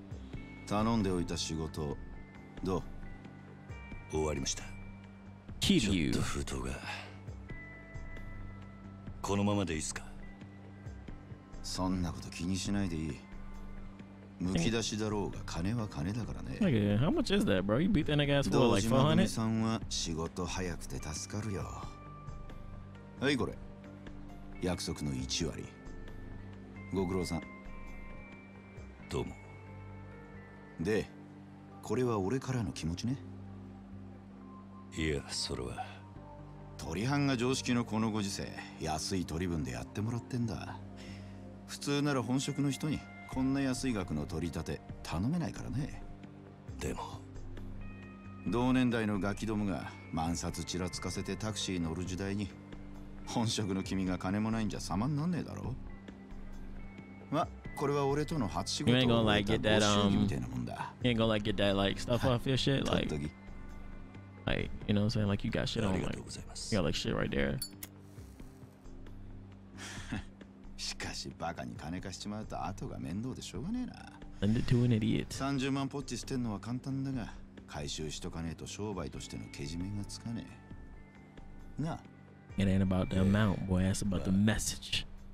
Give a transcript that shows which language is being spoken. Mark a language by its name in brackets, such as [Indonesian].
[English] How much is that, bro? You beat that nigga ass for like 400? [Japanese] どうも。で、これは俺からの気持ちね。いや、それは取り半が常識のこのご時世、安い取り分でやってもらってんだ。普通なら本職の人にこんな安い額の取り立て頼めないからね。でも同年代のガキどもが万札ちらつかせてタクシー乗る時代に本職の君が金もないんじゃ様になんねえだろ。まこれは俺との初仕事を終えた募集みたいなもんだ。 [English] You ain't gonna like get that like stuff off your shit like like you know what I'm saying like you got shit on like you got like shit right there. [Japanese] しかしバカに金貸しちまうと後が面倒でしょうがねえな。 [English] Send it to an idiot. [Japanese] 30万ポッチ捨てるのは簡単だが回収しとかねえと商売としてのけじめがつかねえな。 [English] It ain't about the amount, boy. It's about the message.